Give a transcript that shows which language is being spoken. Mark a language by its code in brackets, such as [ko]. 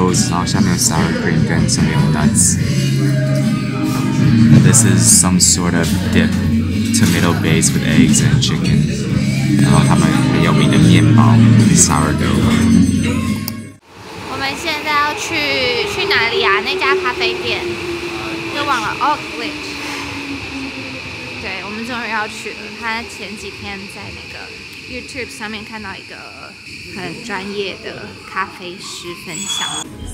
[zh] 然后下面有 sour cream 跟上面有 nuts. [en] This is some sort of dip, tomato base with eggs and chicken. [zh] 然后他们很有名的面包 sourdough. 我们现在要去哪里啊？那家咖啡店，都忘了 Oakley. 对，我们终于要去了。他前几天在那个 YouTube 上面看到一个很专业的咖啡师分享。